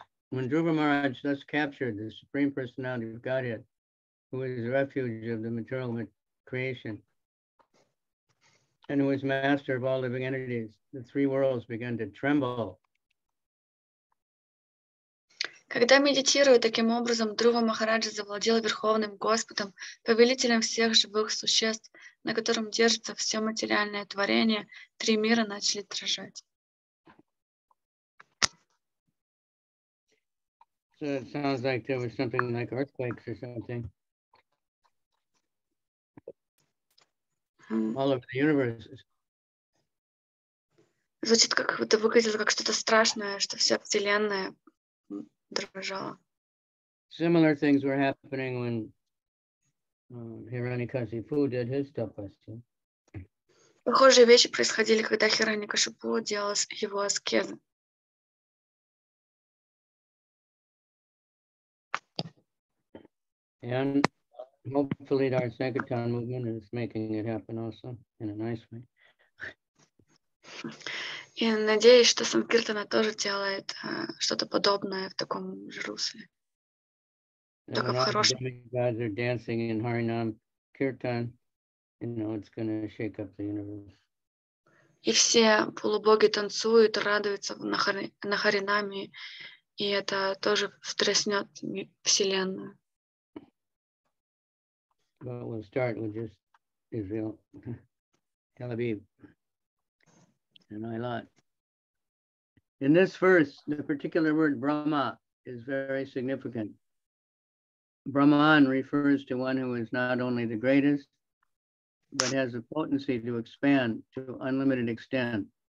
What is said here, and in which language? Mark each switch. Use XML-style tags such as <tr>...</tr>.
<en>When Dhruva Maharaj thus captured the Supreme Personality of Godhead, who is the refuge of the material creation, and who is master of all living entities, the three worlds began to tremble.</en> <ru>Когда, медитируя таким образом, Дхрува Махараджа завладел Верховным Господом, повелителем всех живых существ, на котором держится все материальное творение, три мира начали дрожать.</ru> <en>So it sounds like there was something like earthquakes or something. All over the universe.</en> <ru>Звучит, как будто выглядело как что-то страшное, что вся Вселенная дрожала.</ru> <en>Similar things were happening when Hiranyakashipu did his tapas.</en> <ru>Похожие вещи происходили, когда Хираньякашипу делал его аскезы.</ru> <en>And hopefully our Sankirtan movement is making it happen also in a nice way.</en> <ru>И надеюсь, что Санкиртана тоже делает что-то подобное в таком же русле. Только в хорошем.</ru> <en>If the gods are dancing in Harinam Kirtan, you know, it's going to shake up the universe.</en> <ru>И все полубоги танцуют, радуются на Харинаме, и это тоже встряснет Вселенную.</ru> <en>But we'll start with just Israel, Tel Aviv, and Eilat. In this verse, the particular word Brahma is very significant. Brahman refers to one who is not only the greatest, but has the potency to expand to unlimited extent.</en>